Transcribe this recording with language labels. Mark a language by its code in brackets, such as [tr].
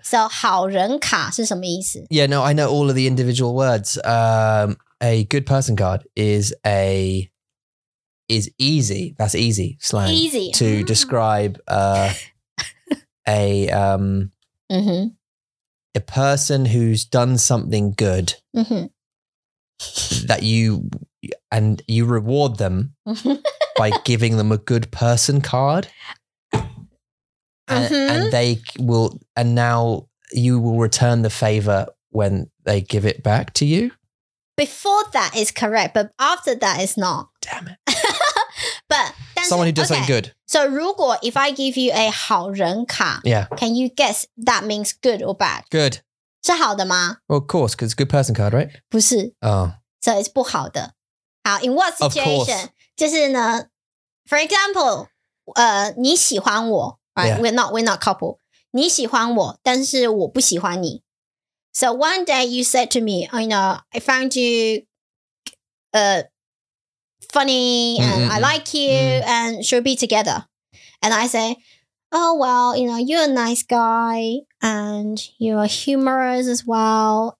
[zh] So 好人卡是什么意思? [en] Yeah, no, I know all of the individual words. A good person card is easy. That's easy slang. Easy. To describe a person who's done something good that you... And you reward them by giving them a good person card. And they will... And now you will return the favor when they give it back to you. Before that is correct, but after that is not. Damn it. But... Someone who does something good. So [zh] 如果 [en] if I give you a 好人卡, yeah. Can you guess that means good or bad? Good. [zh] 是好的吗? [en] Well, of course, because it's a good person card, right? [zh] 不是。 [en] Oh. So it's [zh] 不好的。 [en] 好, in what situation? [zh] 就是呢, [en] for example, [zh] 你喜欢我, [en] right? Yeah. We're not couple. [zh] 你喜欢我,但是我不喜欢你。 [en] So one day you said to me, oh, you know, I found you funny and mm-hmm. I like you mm-hmm. and should be together. And I say, oh, well, you know, you're a nice guy and you're humorous as well.